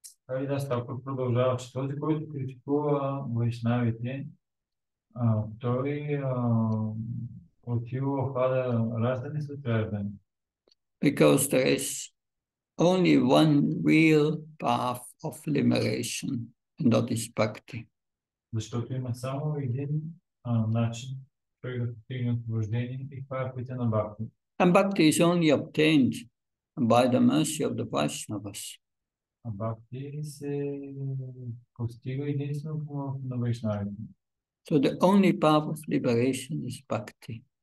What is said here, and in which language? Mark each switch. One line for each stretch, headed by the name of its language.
Bulgarian: Харидас Такур продължава, че този, който критикува вайшнавите, той отива в ада раждане след раждане.
English: Because there is only one real path of liberation, and that is bhakti.
Bulgarian: Защото има само един начин, той да постигне освобождение и това е пътя на бхакти.
English: And bhakti is only obtained by the mercy of the Vaishnavas.
Bulgarian: А бхакти се постига единствено на вайшнавите.
English: So the only path of liberation is bhakti.